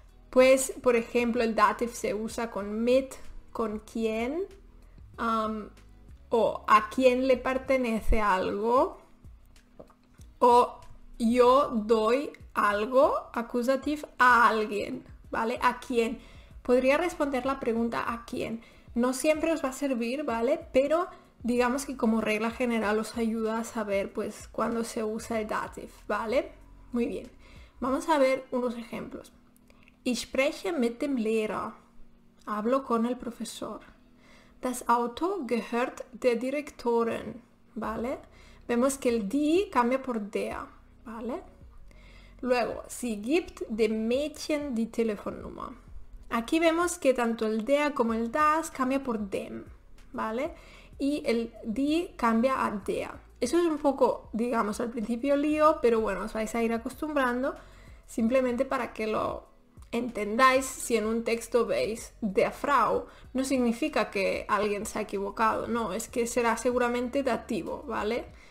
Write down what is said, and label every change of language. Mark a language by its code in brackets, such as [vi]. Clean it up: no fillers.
[es] Pues, por ejemplo, el dative se usa con mit, con quién, o a quién le pertenece algo, o yo doy algo, acusativo, a alguien, ¿vale? ¿A quién? Podría responder la pregunta ¿a quién? No siempre os va a servir, ¿vale? Pero digamos que como regla general os ayuda a saber, pues, cuándo se usa el dativo, ¿vale? Muy bien. Vamos a ver unos ejemplos. [de] Ich spreche mit dem Lehrer. [es] Hablo con el profesor. [de] Das Auto gehört der Direktorin, ¿vale? [es] Vemos que el die cambia por der, ¿vale? [de] Luego, sie gibt dem Mädchen die Telefonnummer. [es] Aquí vemos que tanto el der como el das cambia por dem, ¿vale? Y el die cambia a der. Eso es un poco, digamos, al principio lío, pero bueno, os vais a ir acostumbrando, simplemente para que lo entendáis. Si en un texto veis [de] der Frau, [es] no significa que alguien se ha equivocado, no, es que será seguramente dativo, ¿vale?